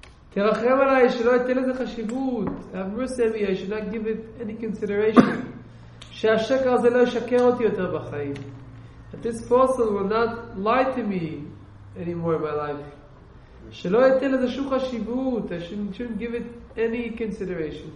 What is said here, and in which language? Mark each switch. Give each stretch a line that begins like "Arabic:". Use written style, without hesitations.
Hebrew: תרחם עליי שלא אתן לזה חשיבות.
English: Have mercy on me, I should not give it any consideration.
Hebrew: שהשקר הזה לא ישקר אותי יותר בחיים.
English: That this person will not lie to me anymore in my life.
Hebrew: שלא אתן לזה שום חשיבות.
English: I shouldn't give it any consideration.